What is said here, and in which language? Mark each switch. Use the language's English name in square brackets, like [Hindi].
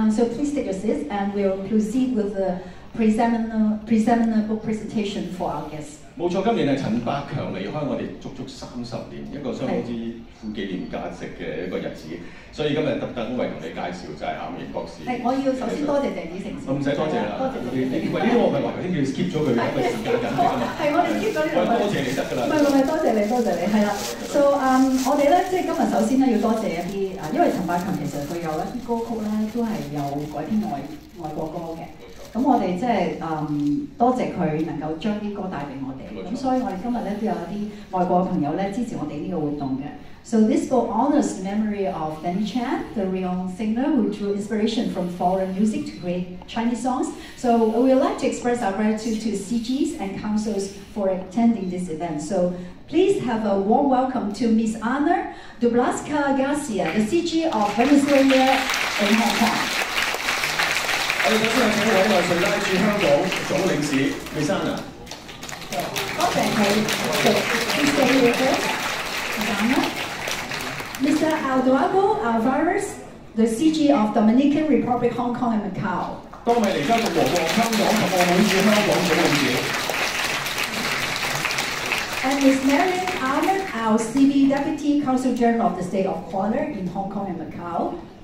[English] So please take your seats and we'll proceed with the preseminar book presentation for our guests. [Cantonese] 冇錯，今年係陳百強離開我哋足足30年，一個相當之富紀念價值嘅一個日子。所以今日特登為同你介紹就係夏美元博士。我要首先多謝鄭子誠先。我唔使多謝啦。多謝你。喂，呢個我唔係話頭先要 skip 咗佢，因為時間緊張啊。係，我哋 skip 咗呢個。多謝你得㗎啦。唔係，多謝你，多謝你，係啦。So 我哋咧即係今日首先咧要多謝一啲因為陳百強其實佢有一啲歌曲咧都係有改編外國歌嘅。咁我哋即係多謝佢能夠將啲歌帶俾我哋。咁所以我哋今日咧都有啲外國嘅朋友咧支持我哋呢個活動嘅。 [English] So this book honors the memory of Danny Chan, the real singer who drew inspiration from foreign music to create Chinese songs. So we would like to express our gratitude to CGs and councils for attending this event. So please have a warm welcome to Miss Ana Dublaska Garcia, the CG of Venezuela in Hong Kong. [Cantonese] 我哋首先請兩位順帶駐香港總領事 Miss Ana。多謝佢。 [English] Please stay here first, Miss Ana. Mr. Eduardo Alvarez, the CG of Dominican Republic, Hong Kong and Macau. [Cantonese] 多米尼加共和國香港及澳門駐香港總領事。 [English] And Ms. Marion Allen, our CB Deputy Consul General of the State of Kuala in Hong Kong and Macau.